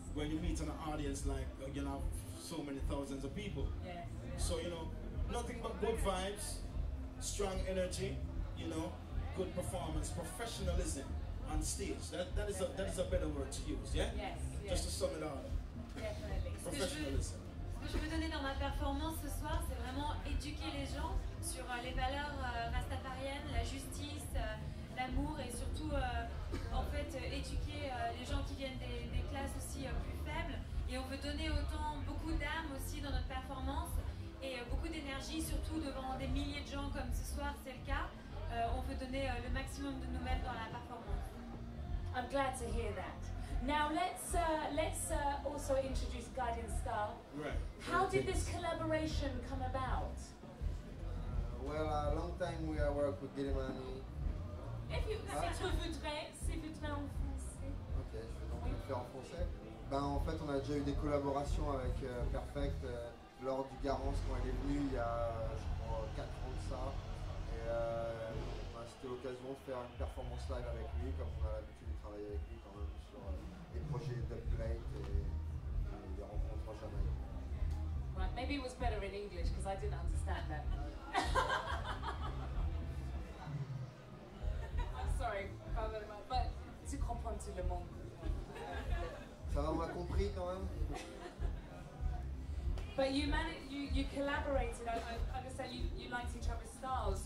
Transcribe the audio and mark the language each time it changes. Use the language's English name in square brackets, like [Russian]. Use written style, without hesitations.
[English] When you meet an audience like, you know, so many thousands of people. Yes. So, you know, nothing but good vibes, strong energy, you know, good performance, professionalism on stage. That is a better word to use, yeah? Yes. Just to sum it all. Definitely. Professionalism. [French] Ce que je veux donner dans ma performance ce soir, c'est vraiment éduquer les gens sur les valeurs rastafariennes, la justice, l'amour et surtout éduquer les gens qui viennent des classes aussi plus faibles. Et on veut donner autant, beaucoup d'âme aussi dans notre performance et beaucoup d'énergie, surtout devant des milliers de gens comme ce soir, c'est le cas. On veut donner le maximum de nous-mêmes dans la performance. [English] I'm glad to hear that. Now let's also introduce Guardian Star. Right. How did this collaboration come about? Well, a long time we are working with Guilleman. If you want, if you want in French. Okay, I'm going to do it in French. [French] Ben, en fait, on a déjà eu des collaborations avec Perfect lors du Garance quand elle est venue il y a, je crois, 4 ans de ça. Et ben, c'était l'occasion de faire une performance live avec lui, comme on a l'habitude de travailler avec lui quand même sur les projets de plate et les rencontres en Jamaïque. [English] Right, maybe it was better in English because I didn't understand that. I'm sorry, but [French] tu comprends le monde. Ça va, on m'a compris quand même. [English] But you collaborated. I understand you liked each other's styles.